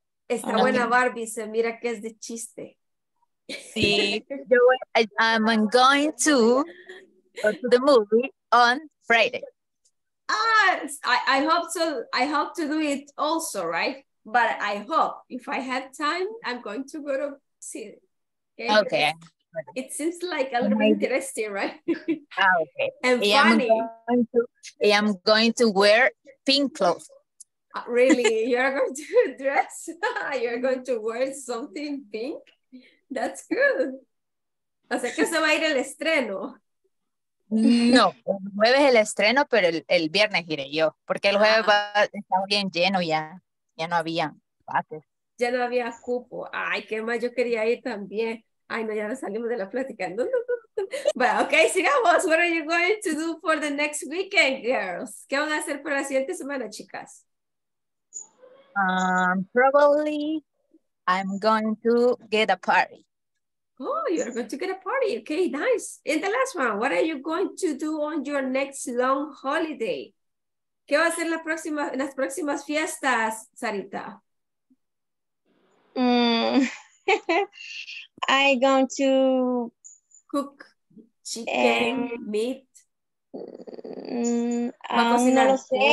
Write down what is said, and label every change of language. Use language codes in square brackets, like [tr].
[es] Está buena Barbie, se mira que es de chiste. [en] See, I'm going to the movie on Friday. I hope to do it also, right? But I hope if I have time, I'm going to go to see it. Okay. Okay. It seems like a little bit interesting, right? Okay. And funny. I am going to wear pink clothes. Really? You're going to dress? You're going to wear something pink? That's good. [es] O sea, que se va a ir el estreno. No, el jueves el estreno, pero el viernes iré yo. Porque el jueves estaba bien lleno ya. Ya no había pases. Ya no había cupo. Ay, qué más, yo quería ir también. Ay, no, ya salimos de la plática. No, no, no. Bueno, ok, sigamos. [en] What are you going to do for the next weekend, girls? [es] ¿Qué van a hacer para la siguiente semana, chicas? [en] Probably... I'm going to get a party. Oh, you're going to get a party. Okay, nice. In the last one, what are you going to do on your next long holiday? [es] ¿Qué va a ser las próximas fiestas, Sarita? [en] I'm going to cook chicken, meat. [es] No lo sé.